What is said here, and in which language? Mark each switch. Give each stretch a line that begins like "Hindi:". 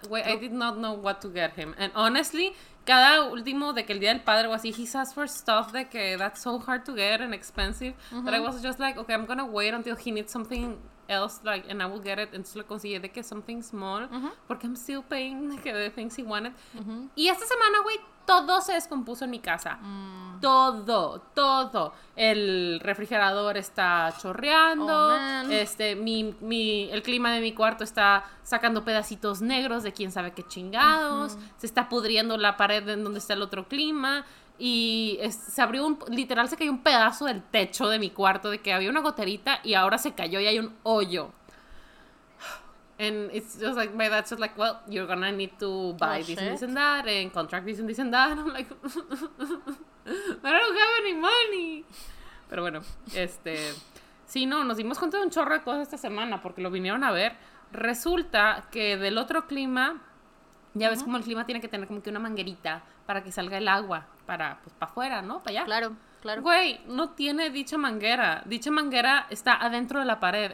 English: Güey, I did not know what to get him. And honestly,
Spanish: cada último de que el día del padre
English: was así, he asked for stuff
Spanish: de que
English: that's so hard to get and expensive. Uh-huh. But I was just like, okay, I'm gonna wait until he needs something else, like, and I will get it.
Spanish: Entonces lo conseguí de que
English: something small. Uh-huh.
Spanish: Porque
English: I'm still paying like, the things he wanted.
Spanish: Uh-huh. Y esta semana, güey, todo se descompuso en mi casa. Todo. El refrigerador está chorreando.
English: Oh, man.
Spanish: El clima de mi cuarto está sacando pedacitos negros de quién sabe qué chingados. Uh-huh. Se está pudriendo la pared en donde está el otro clima. Y se abrió literal se cayó un pedazo del techo de mi cuarto de que había una goterita y ahora se cayó y hay un hoyo.
English: And it's just like, my dad's just like, well, you're gonna need to buy this and this and that, and contract this and this and that. And I'm like, I don't have any money.
Spanish: Pero bueno, sí, no, nos dimos cuenta de un chorro de cosas esta semana, porque lo vinieron a ver. Resulta que del otro clima, ya ves como el clima tiene que tener como que una manguerita para que salga el agua, para afuera, ¿no? Para allá. Claro. Claro. Güey, no tiene dicha manguera. Dicha manguera está adentro de la pared.